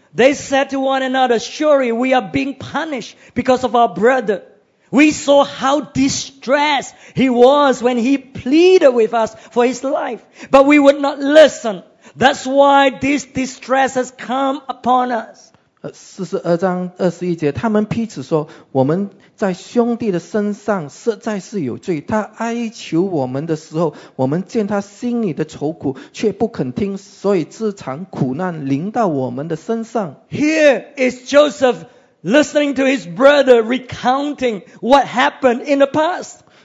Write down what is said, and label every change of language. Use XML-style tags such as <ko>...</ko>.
<en>They said to one another, surely we are being punished because of our brother. We saw how distressed he was when he pleaded with us for his life, but we would not listen. That's why this distress has come upon us.</en> <zh>42章21节 他们彼此说我们在兄弟的身上实在是有罪他哀求我们的时候我们见他心里的愁苦却不肯听所以自常苦难临到我们的身上</zh> <en>Here is Joseph listening to his brother recounting what happened in the past.</en>